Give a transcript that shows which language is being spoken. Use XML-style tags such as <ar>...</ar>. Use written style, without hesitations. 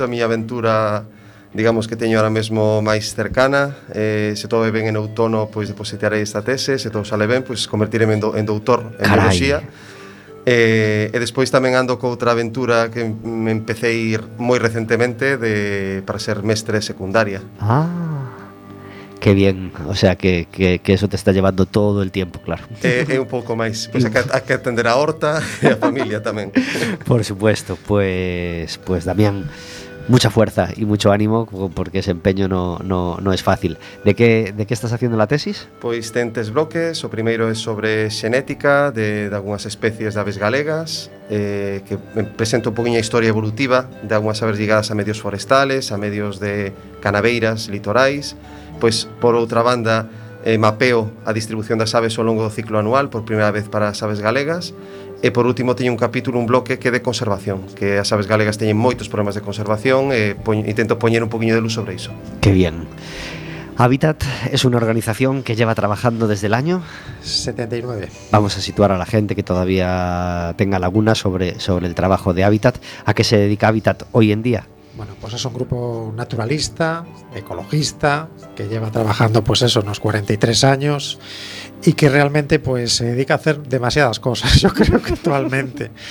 <gl>A miña aventura, digamos, que teño ahora mesmo máis cercana. Se todo ven en outono, pois depositarei esta tese. Se todo sale ben, pois convertiremos en doutor en biología. E despois tamén ando co outra aventura que me empecé a ir moi recentemente de, para ser mestre secundaria.</gl> <es>Ah, que bien, o sea que eso te está llevando todo el tiempo, claro.</es> <gl>Un pouco máis, pois pues hai que atender a horta e a familia tamén.</gl> <es>Por supuesto, pues Damián, mucha fuerza y mucho ánimo, porque ese empeño no es fácil. ¿De qué estás haciendo la tesis?</es> <gl>Pois ten tres bloques. O primeiro é sobre xenética de algunhas especies de aves galegas, que presenta un poquinho a historia evolutiva de algunhas aves ligadas a medios forestales, a medios de canaveiras, litorais. Pois, por outra banda, mapeo a distribución das aves ao longo do ciclo anual, por primeira vez para as aves galegas. E por último teño un capítulo, un bloque que é de conservación, que as aves galegas teñen moitos problemas de conservación e intento poñer un poquinho de luz sobre iso.</gl> <es>Que bien. Habitat es una organización que lleva trabajando desde el año 79. Vamos a situar a la gente que todavía tenga lagunas sobre el trabajo de Habitat. ¿A qué se dedica Habitat hoy en día? Bueno, pues es un grupo naturalista, ecologista, que lleva trabajando pues eso, unos 43 años y que realmente pues se dedica a hacer demasiadas cosas, yo creo que actualmente.</es>